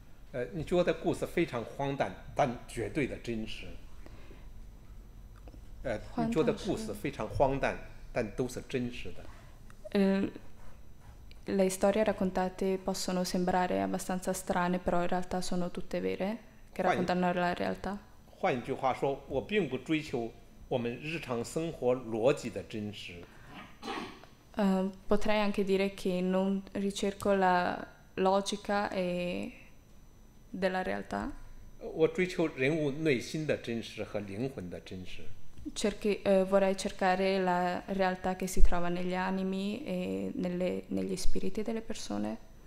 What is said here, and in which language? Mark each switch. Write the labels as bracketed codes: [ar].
[it] Le storie raccontate possono sembrare abbastanza strane, però in realtà sono tutte vere, che raccontano la realtà. [zh] 换句话说，我并不追求我们日常生活逻辑的真实。 [it] Potrei anche dire che non ricerco la logica e della realtà. [zh] 我追求人物内心的真实和灵魂的真实。 [it] vorrei cercare la realtà che si trova negli animi e negli spiriti delle persone.